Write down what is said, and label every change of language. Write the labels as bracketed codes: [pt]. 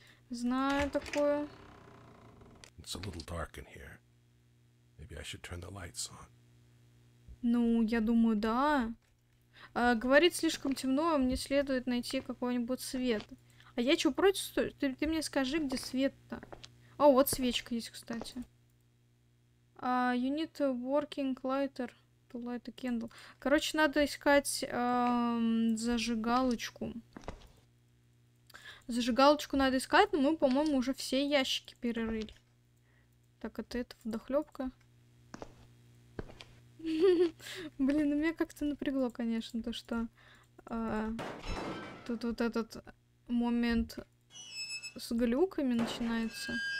[ru] Знаю такое. [en] It's a little dark in here. Maybe I should turn the lights on. [ru] Ну, я думаю, да. Говорит, слишком темно, мне следует найти какой-нибудь свет. А я что, против? Ты мне скажи, где свет-то? О, вот свечка есть, кстати. [en] You need a working lighter to light a candle. [ru] Короче, надо искать зажигалочку. Зажигалочку надо искать, но мы, по-моему, уже все ящики перерыли. Так, это вдохлёбка. Блин, ну меня как-то напрягло, конечно, то, что тут вот этот момент с глюками начинается.